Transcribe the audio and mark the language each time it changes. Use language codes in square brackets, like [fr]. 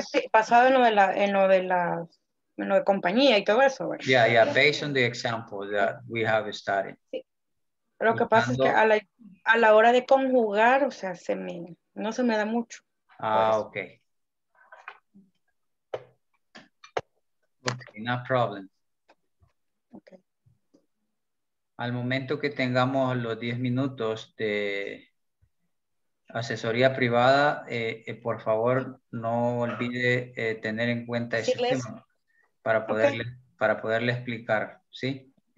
[es] Pasado en lo de la, en lo de compañía y todo eso. [en] Yeah, yeah, based on the example that we have started. [es] Sí. Lo que pasa es que a la hora de conjugar, o sea, no se me da mucho. [en] Ah, okay. Okay, no problem. Okay. [es] Al momento que tengamos los 10 minutos de asesoría privada, por favor, no olvide tener en cuenta ese tema para poderle explicar, ¿sí?